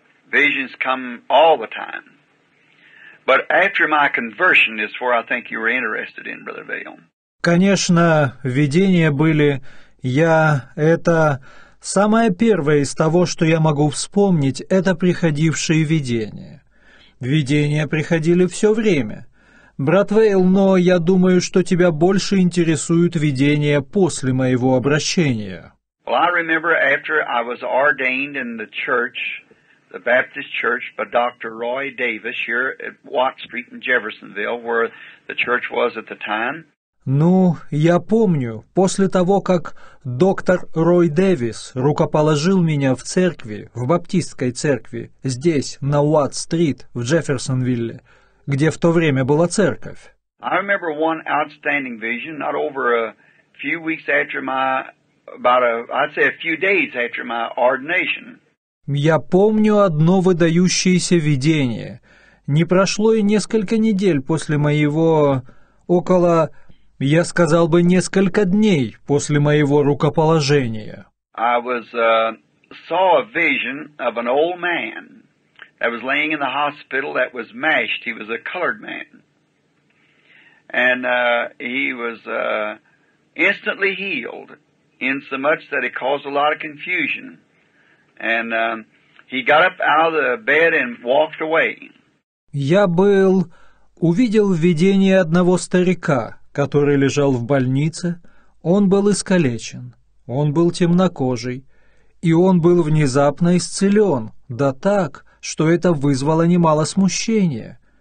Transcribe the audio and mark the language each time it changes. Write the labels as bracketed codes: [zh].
[en] Visions come all the time. But after my conversion is where I think you were interested in, Brother Vail. [ru] Конечно, видения были. Это самое первое из того, что я могу вспомнить, это приходившие видения. Видения приходили все время. Брат Вейл, но я думаю, что тебя больше интересуют видения после моего обращения. [en] Well, I remember after I was ordained in the church, the Baptist Church, by Dr. Roy Davis here at Watt Street in Jeffersonville, where the church was at the time. [ru] Ну, я помню, после того, как доктор Рой Дэвис рукоположил меня в церкви, в баптистской церкви, здесь, на Watt Street в Джефферсонвилле, где в то время была церковь. [en] I remember one outstanding vision, not over a few weeks after my, about a, I'd say a few days after my ordination. [ru] Я помню одно выдающееся видение. Не прошло и несколько недель после моего, около, я сказал бы, несколько дней после моего рукоположения. [en] I was, saw a vision of an old man that was laying in the hospital that was mashed. He was a colored man. And he was instantly healed, insomuch that it caused a lot of confusion. And he got up out of the bed and walked away. [ru] Я был увидел в видении одного старика, который лежал в больнице. Он был искалечен. Он был темнокожий, и он был внезапно исцелен, да так, что это вызвало немало смущения.